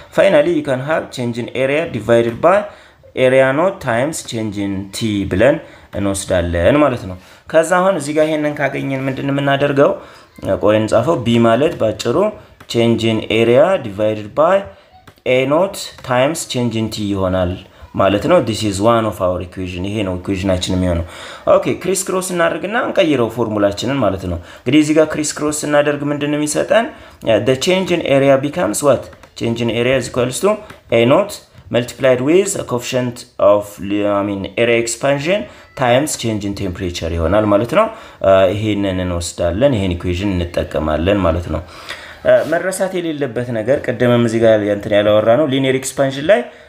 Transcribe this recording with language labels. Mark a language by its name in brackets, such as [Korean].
[English] Finally you can have change in area divided by area not times change in t [Amharic] ብለን እንወስዳለን ማለት ነው። ከዛ አሁን እዚህ ጋር ይሄንን ካገኘን ምንድነው እናደርገው? ቆይ እንጻፈው b ማለት ባጭሩ change in area divided by a not times change in t ይሆናል ማለት ነው። [English] This is one of our equation. [Amharic] ይሄ ነው equationችን የሚሆነው። ኦኬ ክሪስ ክሮስ እናደርግና እንቀይረው ፎርሙላችንን ማለት ነው። እንግዲህ እዚህ ጋር ክሪስ ክሮስ እናደርግ ምንድነው የሚሰጠን? [English] The change in area becomes what? Change in area is equals to a not multiplied with a coefficient of area expansion times change in temperature [Amharic] ይሆናል ማለት ነው። ይሄንን እንወስዳለን ይሄን equation እንጠቀማለን ማለት ነው። መረሳት የሌለበት ነገር ቀደምም እዚህ ጋር እንትን ያለውራ ነው linear expansion ላይ